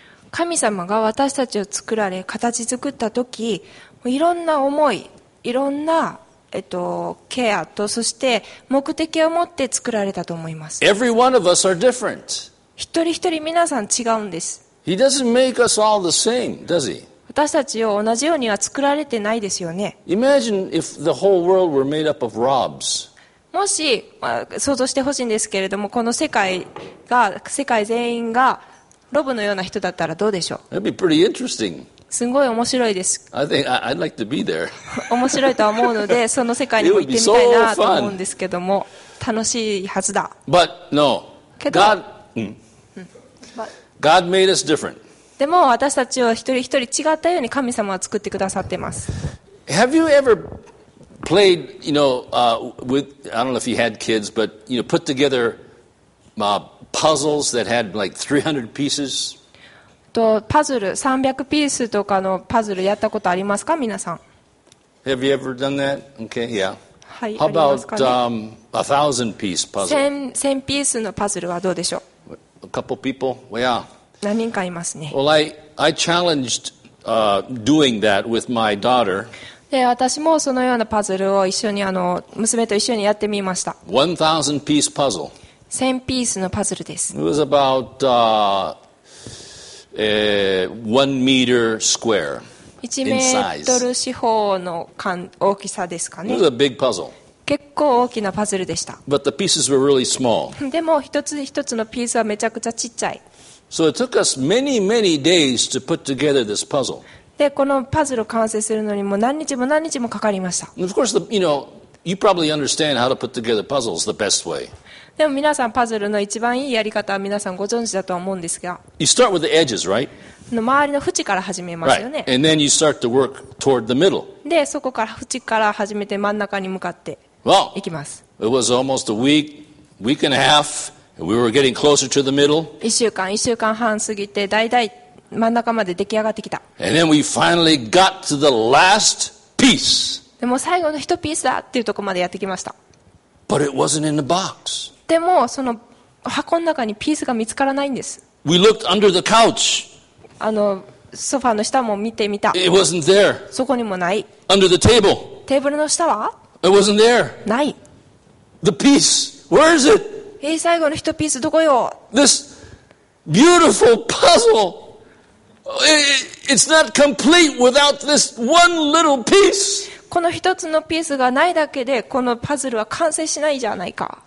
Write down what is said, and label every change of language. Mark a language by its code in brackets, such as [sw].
[ja] 神様が私たちを作られ形作った時、いろんな思い、いろんなケアと、そして目的を持って作られたと思います。 [en] Every one of us are different. [ja] 一人一人皆さん違うんです。 [en] He doesn't make us all the same, does he? [ja] 私たちを同じようには作られてないですよね。 [en] Imagine if the whole world were made up of Robs. [ja] もし、想像してほしいんですけれども、この世界が、世界全員がロブのような人だったらどうでしょう。 [en] That'd be pretty interesting. [ja] すごい面白いです。 [en] I think I'd like to be there. [ja] 面白いと思うので、その世界にも行ってみたいなと思うんですけども、楽しいはずだ。 [en] But no. God. God made us different. [ja] でも私たちを一人一人違ったように神様は作ってくださってます。 [en] Have you ever played, you know, with I don't know if you had kids, but you know, put together puzzles that had like 300 pieces? [ja] パズル、300ピースとかのパズルやったことありますか、皆さん。 [en] Have you ever done that? Okay, yeah. [ja] はい、 [en] How about 1,000 piece puzzle? [ja] 1,000 ピースのパズルはどうでしょう。 [en] A couple people? Well, yeah. [ja] 何人かいますね。 [en] Well, I challenged doing that with my daughter. [ja] で、私もそのようなパズルを一緒に娘と一緒にやってみました。 [en] 1000 piece puzzle。 [ja] 1000ピースのパズルです。 [en] It was about one meter square in size. [ja] 1メートル四方の大きさですかね。 [en] It was a big puzzle. [ja] 結構大きなパズルでした。 [en] But the pieces were really small. [ja] でも一つ一つのピースはめちゃくちゃちっちゃい。 [en] So it took us many, many days to put together this puzzle. [ja] で、このパズルを完成するのにも何日も何日もかかりました。 [en] And of course, the, you know, you probably understand how to put together puzzles the best way. [ja] でも皆さんパズルの一番いいやり方は皆さんご存知だとは思うんですが。 [en] You start with the edges, right? [ja] の周りの縁から始めますよね。 [en] Right. And then you start to work toward the middle. [ja] で、そこから縁から始めて真ん中に向かって。 [en] Well, [ja] いきます。 [en] It was almost a week and a half, and we were getting closer to the middle. [ja] 1週間半過ぎて、だいたい真ん中まで出来上がってきた。 [en] And then we finally got to the last piece. [ja] でも最後の一ピースだっていうところまでやってきました。 [en] But it wasn't in the box. [ja] でもその箱の中にピースが見つからないんです。 [en] We looked under the couch. [ja] ソファーの下も見てみた。 [en] It wasn't there. [ja] そこにもない。 [en] Under the table. [ja] テーブルの下は？ [en] It wasn't there. [ja] ない。 [en] The piece. Where is it? [ja] 最後の一ピースどこよ? [en] This beautiful puzzle. It's not complete without this one little piece. [ja] この一つのピースがないだけでこのパズルは完成しないじゃないか。